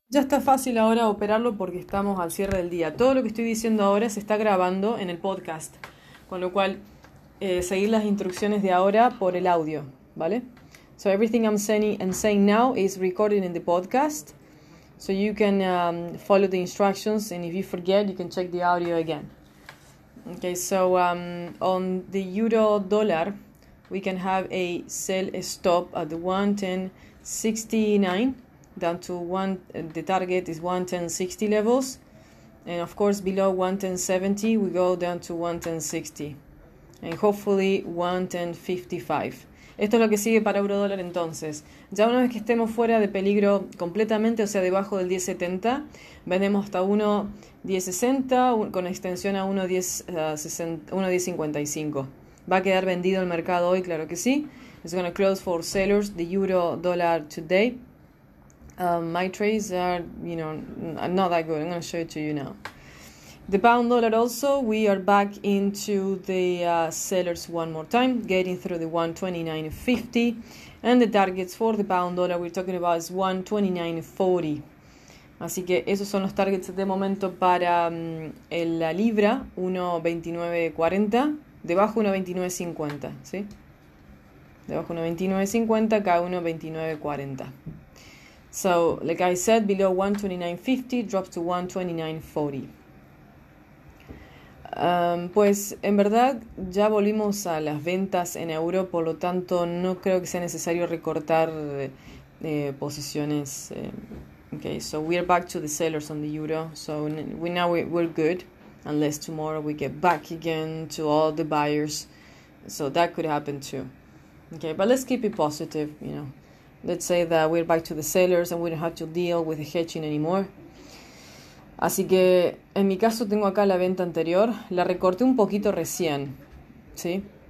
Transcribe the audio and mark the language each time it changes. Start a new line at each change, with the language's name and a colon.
Spanish: Ya está fácil ahora operarlo porque estamos al cierre del día. Todo lo que estoy diciendo ahora se está grabando en el podcast, con lo cual seguir las instrucciones de ahora por el audio, ¿vale?
English: So everything I'm saying now is recorded in the podcast, so you can follow the instructions and if you forget, you can check the audio again. Okay, so on the euro dollar, we can have a sell stop at the 110.69. Down to one, the target is 110.60 levels, and of course below 110.70 we go down to 110.60, and hopefully 110.55.
Spanish: Esto es lo que sigue para euro dólar entonces. Ya una vez que estemos fuera de peligro completamente, o sea debajo del 10.70, vendemos hasta 110.60 con extensión a 110.55. Va a quedar vendido el mercado hoy, claro que sí.
English: It's going to close for sellers the euro dollar today. My trades are, not that good. I'm going to show it to you now. The pound dollar also, we are back into the sellers one more time, getting through the 129.50. And the targets for the pound dollar we're talking about is 129.40.
Spanish: Así que esos son los targets de momento para la libra, 1.29.40, debajo 1.29.50, ¿sí? Debajo 1.29.50, cada 1.29.40.
English: So, like I said, below 129.50 drops to 129.40.
Spanish: Pues en verdad ya volvimos a las ventas en euro, por lo tanto no creo que sea necesario recortar posiciones.
English: Okay, so we are back to the sellers on the euro. So we're good, unless tomorrow we get back again to all the buyers. So that could happen too. Okay, but let's keep it positive, you know. Let's say that we're back to the sellers and we don't have to deal with the hedging anymore.
Spanish: Así que en mi caso tengo acá la venta anterior, la recorté un poquito recién, ¿sí?